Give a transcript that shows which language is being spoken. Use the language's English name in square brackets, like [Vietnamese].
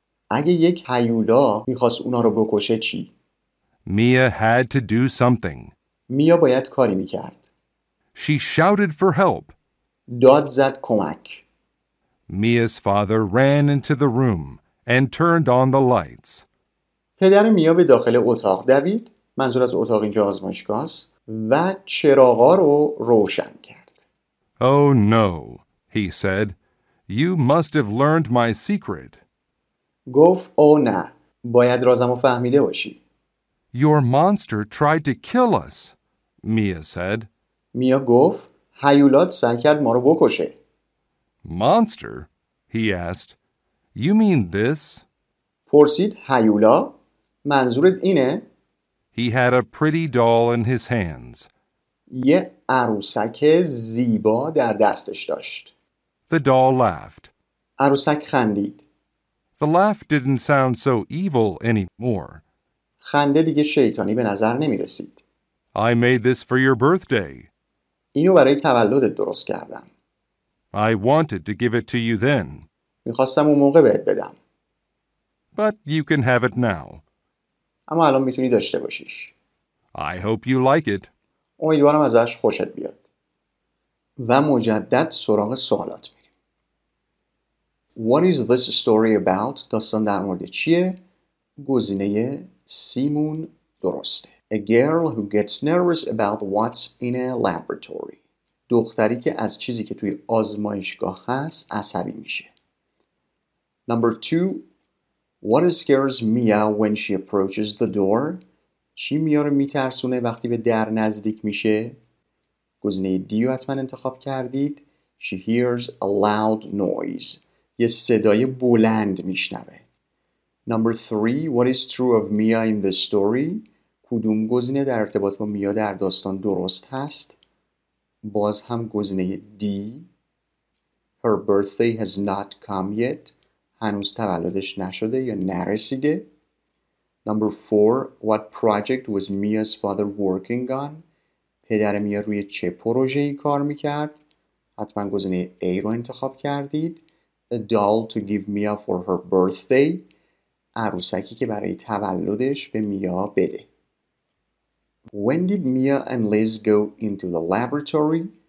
[Persian] اگه یک هیولا میخواست اونا رو بکشه چی؟ [English] Mia had to do something. [Persian] میا باید کاری میکرد. [English] She shouted for help. [Persian] داد زد کمک. [English] Mia's father ran into the room and turned on the lights. [Persian] پدر میا به داخل اتاق دوید، منظور از اتاق اینجا آزمایشگاه است، و چراغا رو روشن کرد. [English] Oh no, he said. You must have learned my secret. [Persian] گفت او نه، باید رازمو فهمیده باشی. [English] Your monster tried to kill us, Mia said. [Persian] میا گفت هیولات سعی کرد ما رو بکشه. [English] Monster? He asked. You mean this? [Persian] پرسید هیولا؟ منظورت اینه؟ [English] He had a pretty doll in his hands. [Persian] یه عروسک زیبا در دستش داشت. [English] The doll laughed. [Persian] عروسک خندید. [English] The laugh didn't sound so evil anymore. [Persian] خنده دیگه شیطانی به نظر نمی رسید. [English] I made this for your birthday. [Persian] اینو برای تولدت درست کردم. [English] I wanted to give it to you then. [Persian] میخواستم اون موقع بهت بدم. [English] But you can have it now. [Persian] اما الان میتونی داشته باشیش. [English] I hope you like it. [Persian] امیدوارم ازش خوشت بیاد. و مجدد سراغ سوالات میریم. [English] What is this story about? [Persian] داستان در مورد چیه؟ گزینه سیمون درسته. [English] A girl who gets nervous about what's in a laboratory. [Persian] دختری که از چیزی که توی آزمایشگاه هست عصبی میشه. [English] Number two, what scares Mia when she approaches the door? [Persian] چی میا رو میترسونه وقتی به در نزدیک میشه؟ گزینه دی رو حتما انتخاب کردید. [English] She hears a loud noise. [Persian] یه صدای بلند میشنوه. [English] Number three, what is true of Mia in the story? [Persian] کدوم گزینه در ارتباط با میا در داستان درست هست؟ باز هم گزینه دی. [English] Her birthday has not come yet. [Persian] هنوز تولدش نشده یا نرسیده. [English] Number four, what project was Mia's father working on? [Persian] پدر میا روی چه پروژه‌ای کار میکرد؟ حتما گزینه A رو انتخاب کردید. [English] A doll to give Mia for her birthday. [Persian] عروسکی که برای تولدش به میا بده. [English] When did Mia and Liz go into the laboratory?